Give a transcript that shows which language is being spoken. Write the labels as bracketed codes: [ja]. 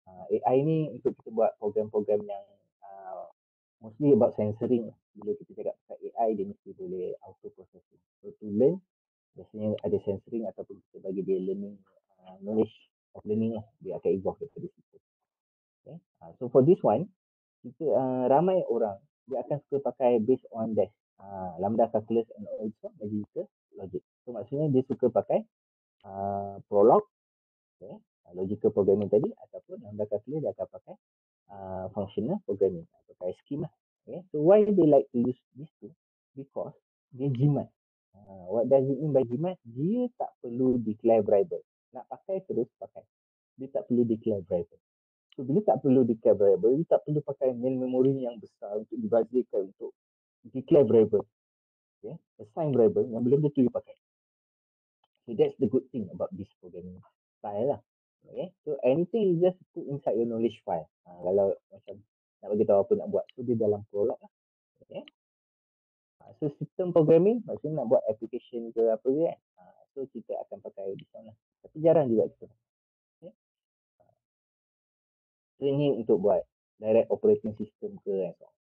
[ms] AI ni untuk kita buat program-program yang [en] mostly about censoring. [ms] Bila kita cakap pasal AI, dia mesti boleh auto-processing. [en] So to learn, [ms] biasanya ada censoring ataupun kita bagi dia [en] learning knowledge of learning [ms] lah. Dia akan evolve daripada situ. [en] Okay. So for this one, [ms] kita ramai orang dia akan suka pakai [en] based on that lambda calculus and also logical logic. [ms] So maksudnya dia suka pakai Prolog. Okay. Logical programming tadi ataupun lambda calculus dia akan pakai functional programming atau pakai schema. Okay. [en] So why they like to use this two? Because [ms] dia jimat. [en] What does it mean by jimat? [ms] Dia tak perlu declare variable. Nak pakai terus pakai. Dia tak perlu declare variable. So bila tak perlu declare variable, dia tak perlu pakai main memory yang besar untuk dibazirkan untuk declare variable. Okay. Assign variable yang belum tentu dia pakai. [en] So that's the good thing about this programming style lah. Okay, so anything you just put inside your knowledge file. [ms] Kalau macam nak bagi tahu apa nak buat, so dia dalam Prolog lah. Okay. So system programming, maksudnya nak buat application ke apa ke kan. So kita akan pakai di sana lah. Tapi jarang juga kita. Okay. So ini untuk buat [en] direct operating system [ms] ke kan.